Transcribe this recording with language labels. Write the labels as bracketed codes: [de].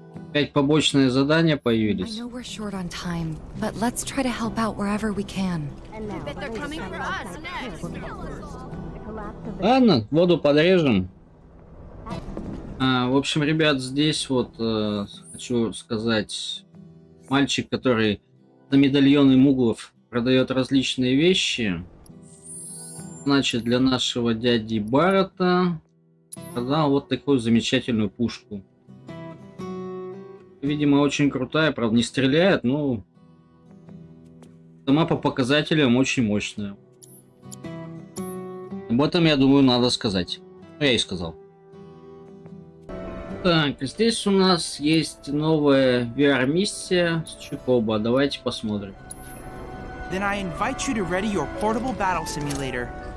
[ru] Опять побочные задания появились. [en] I know we're short on time, but let's try to help out wherever we can. [ru] Ладно, воду подрежем. А, в общем, ребят, здесь вот хочу сказать, мальчик, который на медальоны Муглов продает различные вещи. Значит, для нашего дяди Барата продал вот такую замечательную пушку. Видимо, очень крутая, правда, не стреляет, но сама по показателям очень мощная. Об этом, я думаю, надо сказать. Я и сказал. Так, здесь у нас есть новая VR-миссия с Чикоба. Давайте посмотрим. [en] Then I invite you to ready your portable battle simulator.